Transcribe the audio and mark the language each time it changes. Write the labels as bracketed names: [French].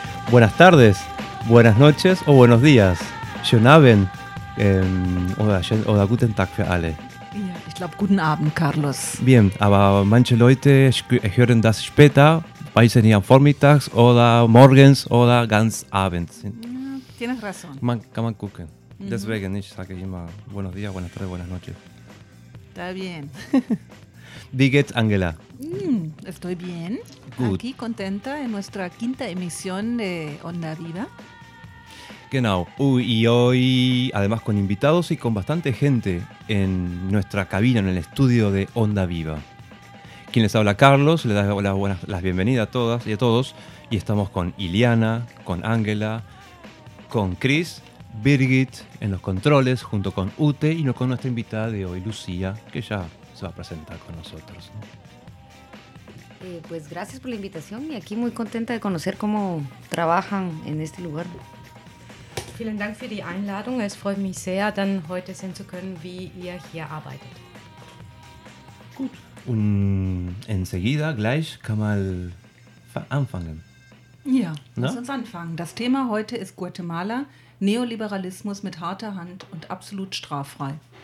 [Spanish] buenas tardes, buenas noches o buenos días. [German] Schönen Abend. Oder guten Tag für alle. Ja, ich glaube, guten Abend, Carlos. Bien, aber manche Leute hören das später, weiß ich nicht, am Vormittag oder morgens oder ganz abends. [Spanish] Ja, tienes razón. [German] Man, kann man gucken. Mhm. Deswegen, ich sage immer, [Spanish] buenos días, buenas tardes, buenas noches. Está bien. [German] Wie geht's, Angela? [Spanish] Estoy bien. Good. Aquí contenta en nuestra quinta emisión de Onda Viva. [German] Genau. [Spanish] Y hoy, además con invitados y con bastante gente en nuestra cabina, en el estudio de Onda Viva. Quien les habla, Carlos, le da las bienvenidas a todas y a todos. Y estamos con Iliana, con Ángela, con Chris, Birgit en los controles, junto con Ute y con nuestra invitada de hoy, Lucía, que ya se va a presentar con nosotros. Pues gracias por la invitación y aquí muy contenta de conocer cómo trabajan en este lugar. [German] Vielen Dank für die Einladung. Es freut mich sehr, dann heute sehen zu können, wie ihr hier arbeitet. Gut. Und enseguida, gleich, kann man anfangen. Ja, na? Lass uns anfangen. Das Thema heute ist Guatemala, Neoliberalismus mit harter Hand und absolut straffrei.